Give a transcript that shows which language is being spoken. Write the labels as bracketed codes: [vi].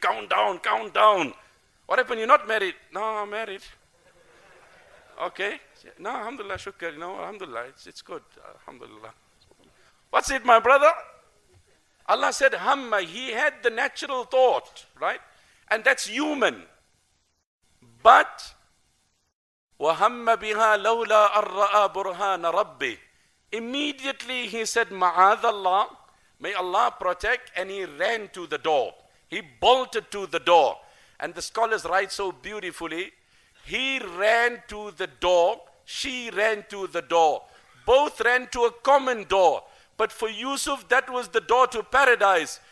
[en] Countdown. What happened? You're not married. No, I'm married. Okay. No, alhamdulillah, shukr. No, alhamdulillah, it's good. Alhamdulillah. What's it, my brother? Allah said, Hamma, he had the natural thought, right? And that's human. [ar] But, وَهَمَّ بِهَا لَوْلَا أَرَّأَ بُرْهَانَ رَبِّي. [en] Immediately he said, [ar] مَعَاذَ اللَّهِ. [en] May Allah protect. And he ran to the door. He bolted to the door. And the scholars write so beautifully, he ran to the door, she ran to the door. Both ran to a common door. But for Yusuf, that was the door to paradise.